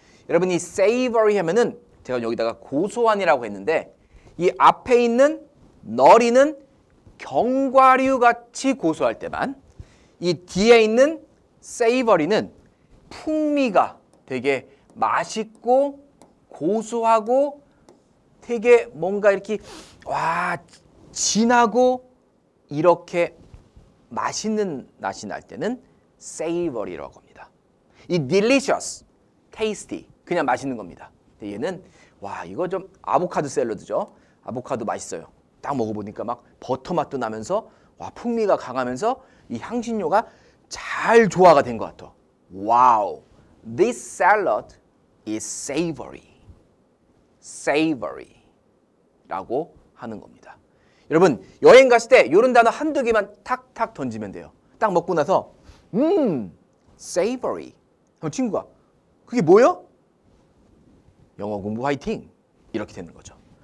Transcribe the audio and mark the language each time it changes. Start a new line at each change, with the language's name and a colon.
Korean: 여러분 이 savory 하면은 제가 여기다가 고소한이라고 했는데 이 앞에 있는 너리는 견과류 같이 고소할 때만 이 뒤에 있는 savory는 풍미가 되게 맛있고 고소하고 되게 뭔가 이렇게 와 진하고 이렇게 맛있는 맛이 날 때는 savory라고 합니다. 이 delicious, tasty 그냥 맛있는 겁니다. 근데 얘는 와 이거 좀 아보카도 샐러드죠. 아보카도 맛있어요. 딱 먹어보니까 막 버터 맛도 나면서 와 풍미가 강하면서 이 향신료가 잘 조화가 된 것 같아.
English: 와우, this salad is savory.
Korean: Savory 라고 하는 겁니다. 여러분 여행 갔을 때 이런 단어 한두 개만 탁탁 던지면 돼요. 딱 먹고 나서 savory 그럼 친구가 그게 뭐예요? 영어 공부 화이팅! 이렇게 되는 거죠.